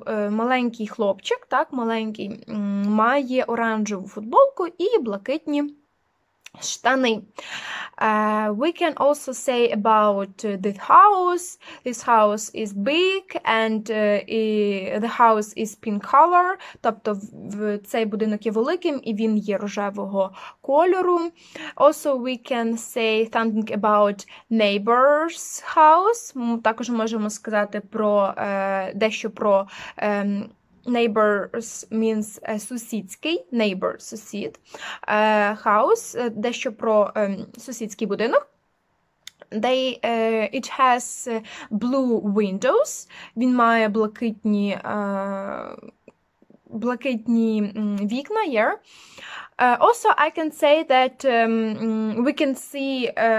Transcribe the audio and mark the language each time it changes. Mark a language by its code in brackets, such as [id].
[uk] Маленький хлопчик, так, маленький, має оранжеву футболку і блакитні штани. [en] We can also say about this house. This house is big and the house is pink color. [uk] Тобто цей будинок є великим і він є рожевого кольору. [en] Also we can say something about neighbor's house. [uk] Ми також можемо сказати про дещо про [en] neighbors means [uk] сусідський, neighbor, сусід, house, дещо про сусідський будинок. [en] They, it has blue windows, [uk] він має блакитні, блакитні вікна, yeah. [en] Also, I can say that we can see